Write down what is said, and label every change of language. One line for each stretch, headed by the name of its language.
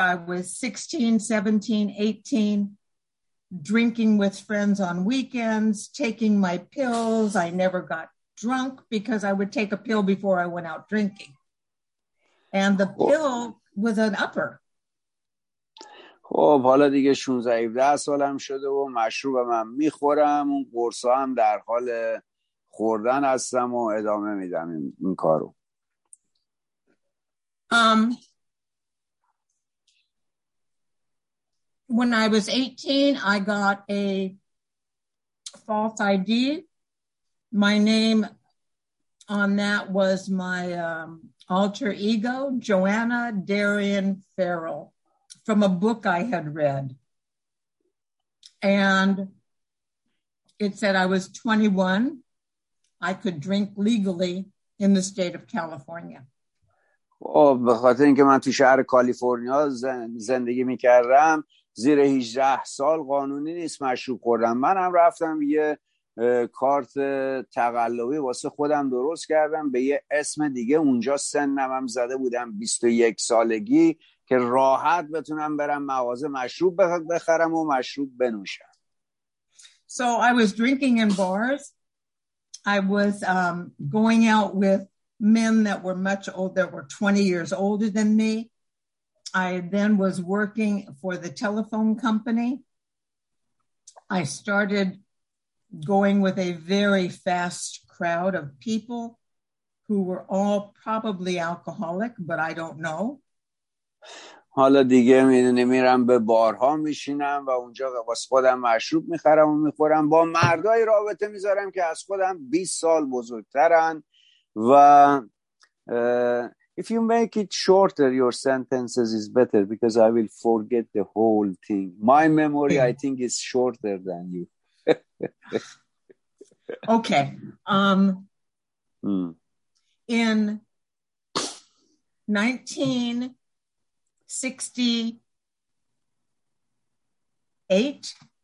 English: I was 16, 17, 18, drinking with friends on weekends, taking my pills. I never got drunk because I would take a pill before I went out drinking. And the pill was an upper.
Persian: خب حالا دیگه 16, 17 سالم شده و مشروبم هم میخورم، اون قرصا هم در حال خوردن هستم و ادامه میدم این کارو.
English: When I was 18, I got a false ID. My name on that was my alter ego, Joanna Darian Farrell, from a book I had read. And it said I was 21. I could drink legally in the state of California.
Persian: به خاطر اینکه من تو شهر کالیفرنیا زندگی میکردم، زیر 18 سال قانونی نیست مشروب خوردم. منم رفتم یه کارت تقلبی واسه خودم درست کردم به یه اسم دیگه، اونجا سنم هم زده بودم 21 سالگی که راحت بتونم برم مغازه مشروب بخرم و مشروب بنوشم.
English: So I was drinking in bars. I was going out with men that were much older, were 20 years older than me. I then was working for the telephone company. I started going with a very fast crowd of people who were all probably alcoholic, but I don't know.
Persian: حالا دیگه میدونی میرم به بارها میشینم و اونجا واسه خودم مشروب میخرم و میخورم، با مردای رابطه میذارم که از خودم 20 سال بزرگترن و
English: if you make it shorter, your sentences is better because I will forget the whole thing. My memory, I think, is shorter than you. Okay. In 1968,